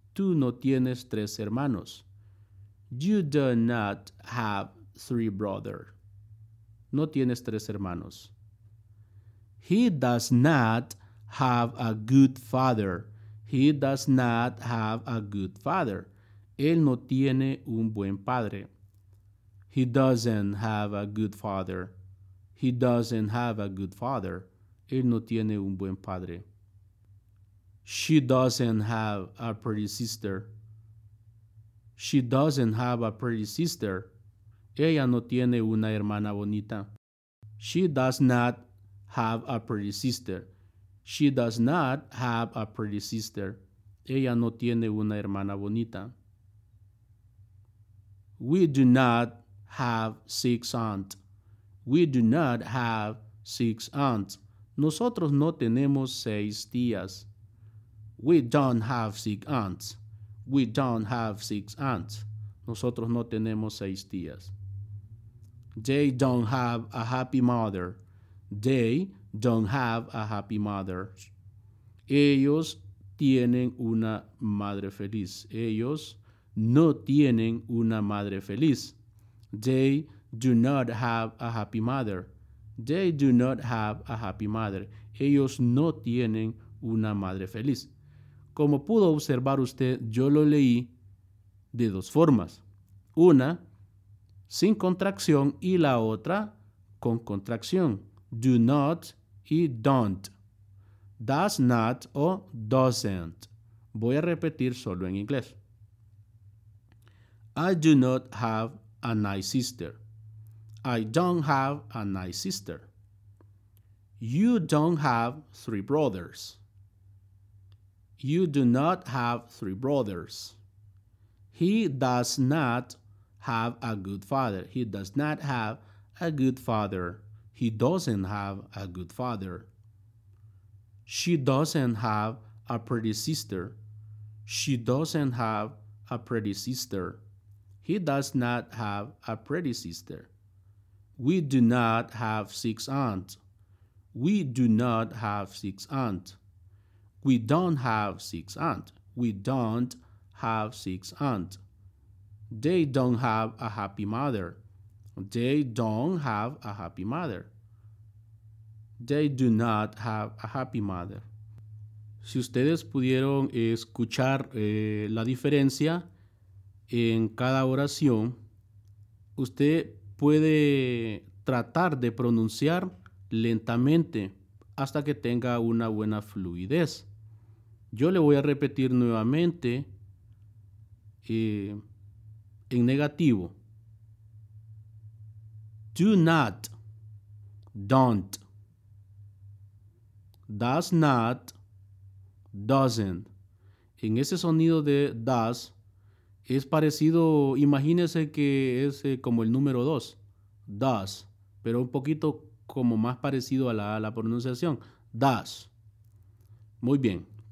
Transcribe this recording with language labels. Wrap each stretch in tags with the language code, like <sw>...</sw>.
<es>Tú no tienes tres hermanos.</es> <en>You do not have three brothers.</en> <es>No tienes tres hermanos.</es> <en>He does not have a good father. He does not have a good father.</en> <es>Él no tiene un buen padre.</es> <en>He doesn't have a good father. He doesn't have a good father.</en> <es>Él no tiene un buen padre.</es> <en>She doesn't have a pretty sister. She doesn't have a pretty sister.</en> <es>Ella no tiene una hermana bonita.</es> <en>She does not have a pretty sister. She does not have a pretty sister.</en> <es>Ella no tiene una hermana bonita.</es> <en>We do not have six aunts. We do not have six aunts.</en> <es>Nosotros no tenemos seis tías.</es> <en>We don't have six aunts. We don't have six aunts.</en> <es>Nosotros no tenemos seis tías.</es> <en>They don't have a happy mother. They don't have a happy mother.</en> <es>Ellos tienen una madre feliz. Ellos no tienen una madre feliz.</es> <en>They do not have a happy mother. They do not have a happy mother.</en> <es>Ellos no tienen una madre feliz. Como pudo observar usted, yo lo leí de dos formas. Una, sin contracción, y la otra, con contracción. Do not y don't. Does not o doesn't. Voy a repetir solo en inglés.</es> <en>I do not have a nice sister. I don't have a nice sister. You don't have three brothers. You do not have three brothers. He does not have a good father. He does not have a good father. He doesn't have a good father. She doesn't have a pretty sister. She doesn't have a pretty sister. He does not have a pretty sister. We do not have six aunts. We do not have six aunts. We don't have six aunts. We don't have six aunts. They don't have a happy mother. They don't have a happy mother. They do not have a happy mother.</en> <es>Si ustedes pudieron escuchar la diferencia en cada oración, usted puede tratar de pronunciar lentamente hasta que tenga una buena fluidez. Yo le voy a repetir nuevamente en negativo.</es> <en>Do not, don't, does not, doesn't.</en> <es>En ese sonido de does es parecido, imagínese que es como el número 2, does, pero un poquito como más parecido a la pronunciación, does. Muy bien.</es>